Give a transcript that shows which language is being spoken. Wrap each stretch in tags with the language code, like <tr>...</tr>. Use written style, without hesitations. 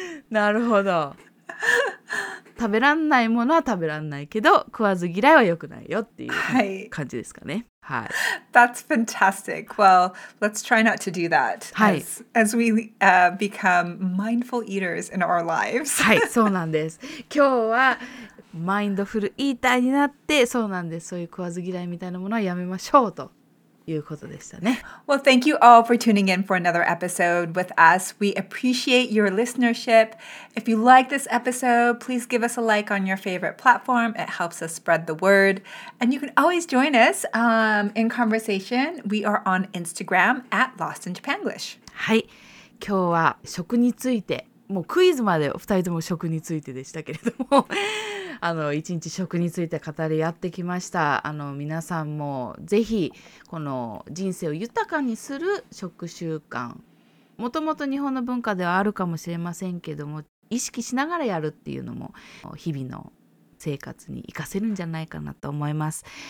<ja>なるほど食べらんないものは食べらんないけど食わず嫌いは良くないよっていう感じですかね、はい、</ja> <en>That's fantastic Well, let's try not to do that、</en> <ja>はい、</ja> <en>as we become mindful eaters in our lives</en> <ja>はい、そうなんです今日はマインドフルイーターになってそうなんですそういう食わず嫌いみたいなものはやめましょうということでしたね</ja> <en>Well, thank you all for tuning in for another episode with us. We appreciate your listenership. If you like this episode, please give us a like on your favorite platform. It helps us spread the word. And you can always join us in conversation. We are on Instagram at Lost in Japanglish.</en> <ja>はい、今日は食についてもうクイズまで二人とも食についてでしたけれどもあの一日食について語り合ってきましたあの皆さんもぜひこの人生を豊かにする食習慣もともと日本の文化ではあるかもしれませんけども意識しながらやるっていうのも日々の生活に生かせるんじゃないかなと思います、</ja>